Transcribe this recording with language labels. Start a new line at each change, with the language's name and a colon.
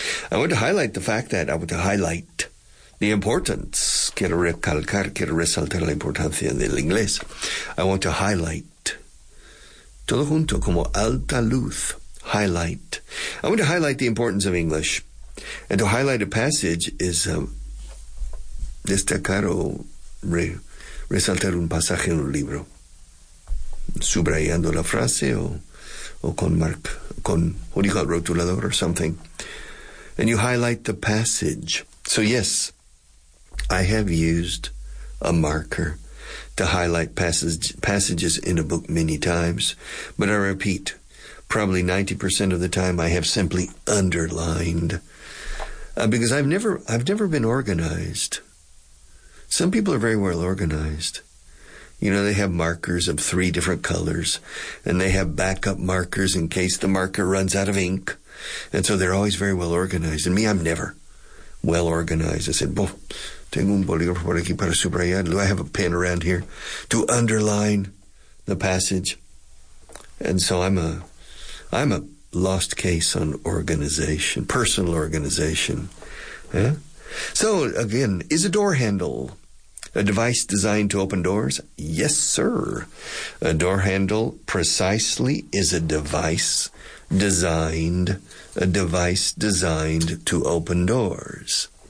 English: I want to highlight the fact that I want to highlight the importance.
Spanish: Quiero recalcar, quiero resaltar la importancia del inglés.
English: I want to highlight.
Spanish: Todo junto, como alta luz, highlight.
English: I want to highlight the importance of English. And to highlight a passage is
Spanish: destacar o resaltar un pasaje en un libro. Subrayando la frase o con mark, con
English: what do you call it,
Spanish: rotulador or something.
English: And you highlight the passage. So yes, I have used a marker to highlight passages in a book many times. But I repeat, probably 90% of the time I have simply underlined Because I've never been organized. Some people are very well organized. You know, they have markers of three different colors, and they have backup markers in case the marker runs out of ink. And so they're always very well organized. And me, I'm never well organized. I said,
Spanish: boh, tengo un bolígrafo por aquí para subrayar.
English: Do I have a pen around here to underline the passage? And so I'm a lost case on organization, personal organization. Yeah? So again, is a door handle a device designed to open doors? Yes, sir. A door handle precisely is a device designed, to open doors.